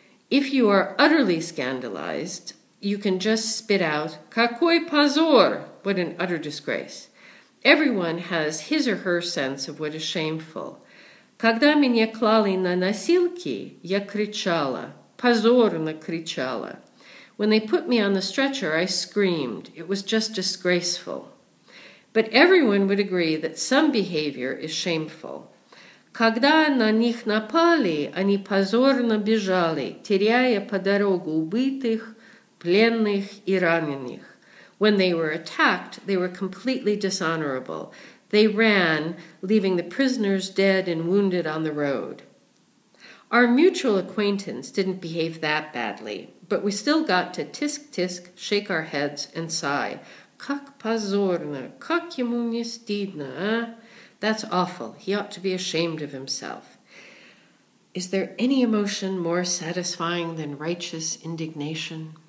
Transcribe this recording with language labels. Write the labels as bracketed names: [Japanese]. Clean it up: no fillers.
[English] If you are utterly scandalized, you can just spit out, [Russian] какой позор, [English] what an utter disgrace. Everyone has his or her sense of what is shameful. [Russian] Когда меня клали на носилки, я кричала, позорно кричала. [English] When they put me on the stretcher, I screamed. It was just disgraceful. But everyone would agree that some behavior is shameful. [Russian] Когда на них напали, они позорно бежали, теряя по дороге убитых, пленных и раненых. [English] When they were attacked, they were completely dishonorable. They ran, leaving the prisoners dead and wounded on the road. Our mutual acquaintance didn't behave that badly, but we still got to tisk-tisk, shake our heads, and sigh. [Russian] Как позорно, как ему не стыдно, а? [English] That's awful. He ought to be ashamed of himself. Is there any emotion more satisfying than righteous indignation?